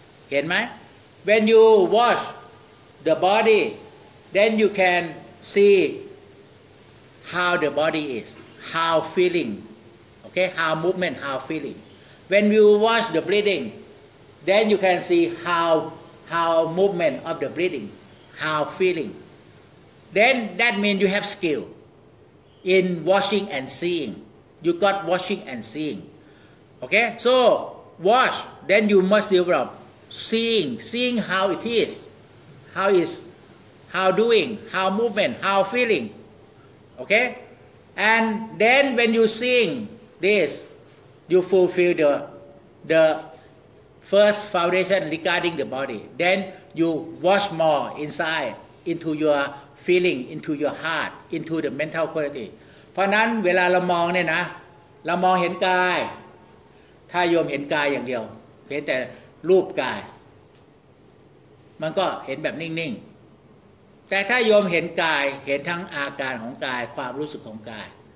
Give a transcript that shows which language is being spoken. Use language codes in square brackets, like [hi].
[th] เห็นไหม [en] When you watch the body then you can see how the body is how feeling okay how movement how feeling when you watch the breathing then you can see how movement of the breathing how feelingThen that means you have skill in watching and seeing. You got watching and seeing. Okay? So watch, then you must develop seeing how it is, how is, how doing, how movement, how feeling. Okay? And then when you seeing this, you fulfill the first foundation regarding the body. Then you watch more inside, into your feeling, into your heart, into the mental quality. [th] เพราะนั้นเวลาเรามองเนี่ยนะเรามองเห็นกายถ้าโยมเห็นกายอย่างเดียวเห็นแต่รูปกายมันก็เห็นแบบนิ่งๆแต่ถ้าโยมเห็นกายเห็นทั้งอาการของกายความรู้สึกของกาย